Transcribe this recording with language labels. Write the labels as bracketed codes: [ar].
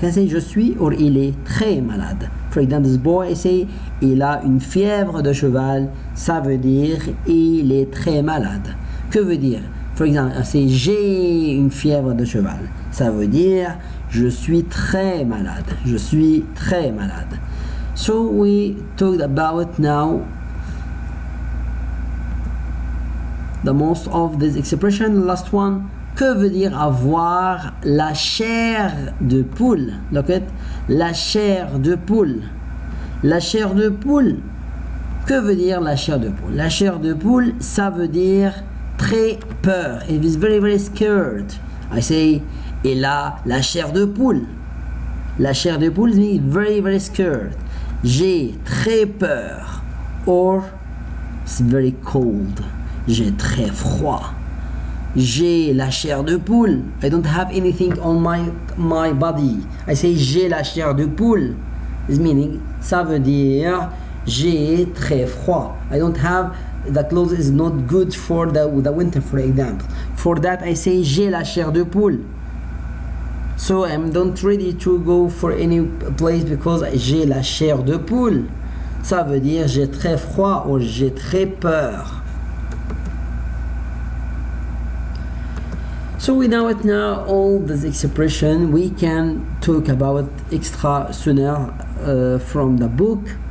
[en] Can I say [fr] je suis [en] or [fr] il est très malade? [en] For example, this boy, I say [fr] il a une fièvre de cheval. Ça veut dire il est très malade. Que veut dire? [en] For example, I say [fr] j'ai une fièvre de cheval. Ça veut dire je suis très malade. Je suis très malade. [en] So we talked about now the most of this expression, the last one. [fr] Que veut dire avoir la chair de poule? [en] Look at [fr] la chair de poule. La chair de poule. Que veut dire la chair de poule? La chair de poule, ça veut dire très peur. [en] It is very, very scared. I say, [fr] et là, la chair de poule. La chair de poule [en] means very, very scared. [fr] J'ai très peur. [en] Or, it's very cold. [fr] J'ai très froid. J'ai la chair de poule. [en] I don't have anything on my body. I say [fr] j'ai la chair de poule. [en] This meaning, [fr] ça veut dire j'ai très froid. [en] I don't have, the clothes is not good for the winter, for example. For that, I say [fr] j'ai la chair de poule. [en] So I'm not ready to go for any place because j'ai la chair de poule. [fr] Ça veut dire j'ai très froid ou j'ai très peur. [en] So we know it now, all this expression, we can talk about extra sooner from the book.